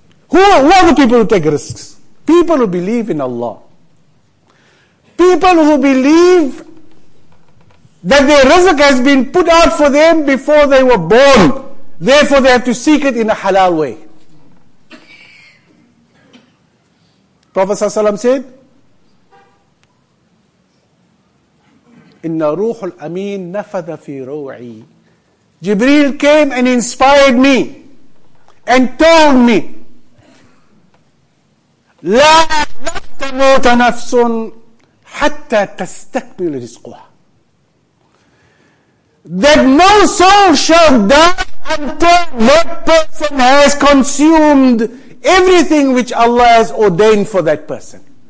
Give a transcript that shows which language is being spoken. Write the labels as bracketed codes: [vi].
[en] Who are the people who take risks? People who believe in Allah. People who believe that their rizq has been put out for them before they were born. Therefore, they have to seek it in a halal way. Prophet ﷺ said, [ar] إِنَّ رُوحُ الْأَمِينَ نَفَذَ فِي رُوعِي. [en] Jibreel came and inspired me and told me, [ar] لَا تَمُوتَ نَفْسٌ حَتَّى تَسْتَكْمِلُ رِزْقُهَا. [en] That no soul shall die until that person has consumed everything which Allah has ordained for that person.